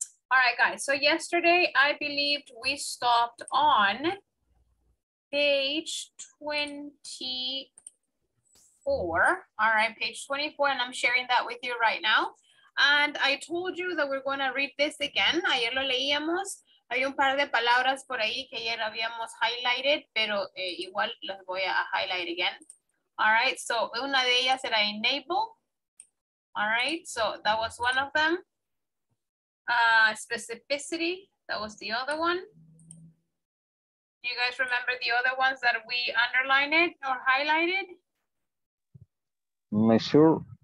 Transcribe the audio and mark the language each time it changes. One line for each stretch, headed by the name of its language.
English: All right guys, so yesterday I believe we stopped on page 24. All right, page 24, and I'm sharing that with you right now. And I told you that we're going to read this again.
Spanish: Ayer lo leíamos. Hay un par de palabras por ahí que ayer habíamos highlighted, pero igual las voy a
English: highlight again. All right, so
Spanish: una de ellas era
English: enable. All right, so that was one of them. Specificity, that was the other one. Do you guys remember the other ones that we underlined or highlighted? Measure.